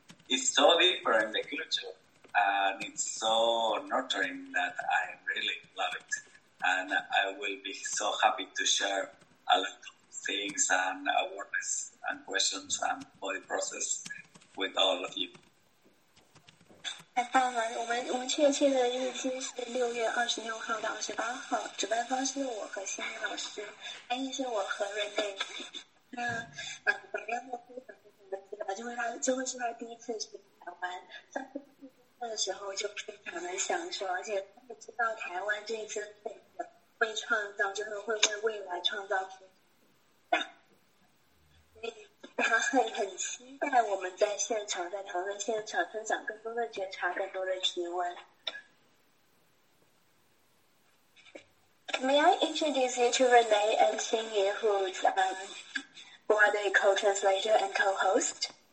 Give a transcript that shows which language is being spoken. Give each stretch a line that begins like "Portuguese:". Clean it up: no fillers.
English: It's so different the culture, and it's so nurturing that I really love it. And I will be so happy to share a lot of things and awareness and questions and body process with all of you.
Chinese: 太棒了！我们确切的日期是6月26号到28号，主办方是我和新宇老师，翻译是我和瑞内。那怎么样？就会是他第一次去台湾，上次去的时候就非常的享受，而且他也知道台湾这一次会创造，就是会为未来创造非他很期待我们在现场，在讨论现场，分享更多的觉察，更多的提问。
English: May I introduce you to Renee and Xinyi, who are the co-translator and co-host?